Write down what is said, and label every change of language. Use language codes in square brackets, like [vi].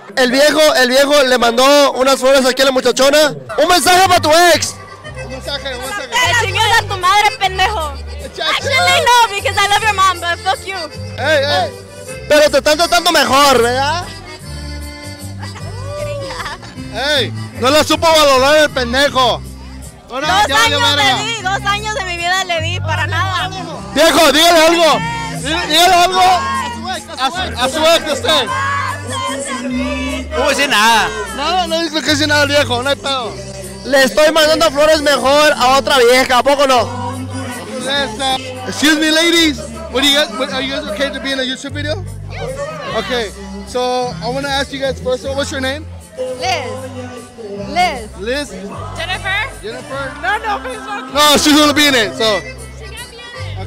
[es] El viejo le mandó unas flores aquí a la muchachona. Un mensaje para tu ex. Un mensaje. Te chingas a tu madre, pendejo. [en] Actually, no, because I love your mom, but fuck you. Hey. [es] Pero te están tratando mejor, ¿verdad? Hey, no la supo valorar el pendejo. Ahora, dos años de mi vida le di, para nada. Viejo, dígale algo. Dígale algo. A su ex, usted. No dice nada. No dice que dice nada el viejo, no hay pedo. Le estoy mandando flores mejor a otra vieja, ¿a poco no? [en] Excuse me, ladies. Are you guys okay to be in a YouTube video? Okay, so I want to ask you guys first, what's your name? Liz. Jennifer? No, please, no, she's gonna be in it, so. She can't be in it.